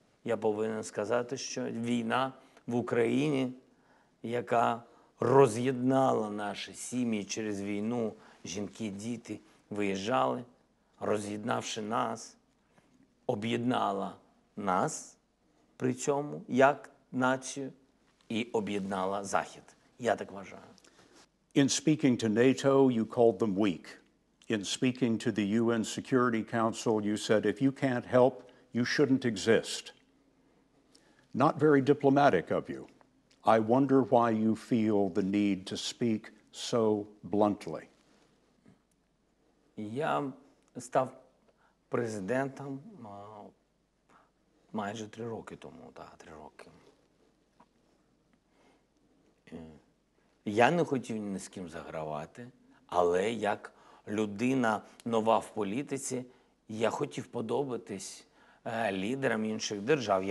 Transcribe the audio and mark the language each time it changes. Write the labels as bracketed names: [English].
[Ukrainian] Я повинен сказати, що війна в Україні, яка роз'єднала наші сім'ї через війну, жінки, діти виїжджали, роз'єднавши нас, об'єднала нас при цьому як націю і об'єднала Захід. Я так вважаю. [English] In speaking to NATO, you called them weak. In speaking to the UN Security Council, you said, if you can't help, you shouldn't exist. Not very diplomatic of you. I wonder why you feel the need to speak so bluntly. [Ukrainian] Я став президентом майже 3 роки тому, так, 3 роки. Я не хотів ні з ким загравати, але як людина нова в політиці, я хотів подобатись лідерам інших держав.